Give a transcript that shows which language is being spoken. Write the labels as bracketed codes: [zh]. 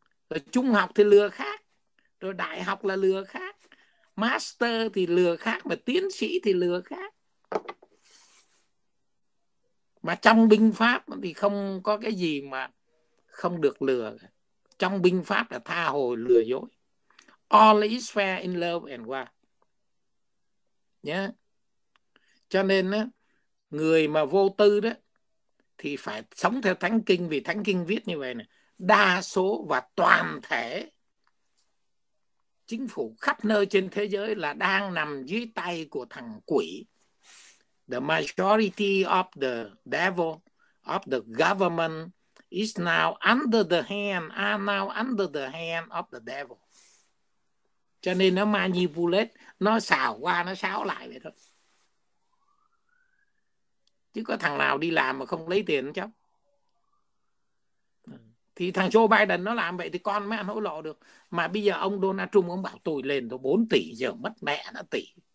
[vi] Rồi trung học thì lừa khác, rồi đại học là lừa khác, master thì lừa khác, mà tiến sĩ thì lừa khác. Mà trong binh pháp thì không có cái gì mà không được lừa. Trong binh pháp là tha hồ lừa dối. [en] All is fair in love and war. [vi] Nhá. Cho nên á, người mà vô tư đó thì phải sống theo Thánh Kinh, vì Thánh Kinh viết như vậy này: đa số và toàn thể chính phủ khắp nơi trên thế giới là đang nằm dưới tay của thằng quỷ. [en] The majority of the devil of the government is now under the hand, are now under the hand of the devil. [vi] Cho nên nó manipulate, nó xào qua, nó xáo lại vậy thôi. Chứ có thằng nào đi làm mà không lấy tiền chứ. Thì thằng Joe Biden nó làm vậy thì con mới ăn hối lộ được. Mà bây giờ ông Donald Trump ông bảo tôi lên tôi 4 tỷ, giờ mất mẹ nó tỷ.